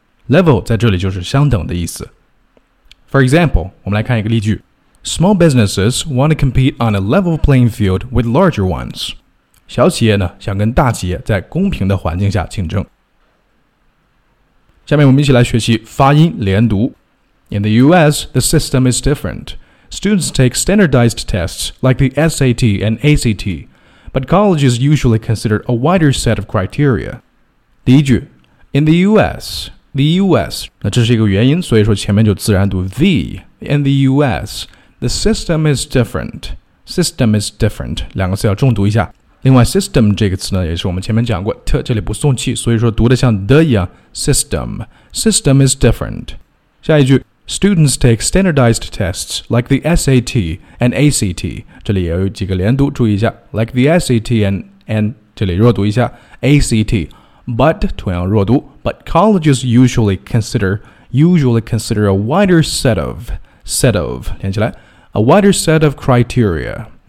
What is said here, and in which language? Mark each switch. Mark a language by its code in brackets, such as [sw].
[zh] Level 在这里就是相等的意思。 [en] For example, [zh] 我们来看一个例句。 [en] Small businesses want to compete on a level playing field with larger ones. [zh] 小企业呢，想跟大企业在公平的环境下竞争。下面我们一起来学习发音连读。 [en] In the U.S., the system is different. Students take standardized tests like the SAT and ACT, but colleges usually consider a wider set of criteria. [zh] 第一句 [en] In the U.S., the U.S. [zh] 那这是一个元音，所以说前面就自然读 the. [en] In the U.S., the system is different. System is different. [zh] 两个词要重读一下。另外 system 这个词呢也是我们前面讲过 t 这里不送气，所以说读得像 the 一样 system. [en] System is different. [zh] 下一句 [en] Students take standardized tests like the SAT and ACT. [zh] 这里也有几个连读，注意一下。 [en] Like the SAT and [zh] 这里弱读一下。 [en] ACT, but [zh] 同样弱读。 [en] But colleges usually consider a wider set of [zh] 连起来 [en] a wider set of criteria.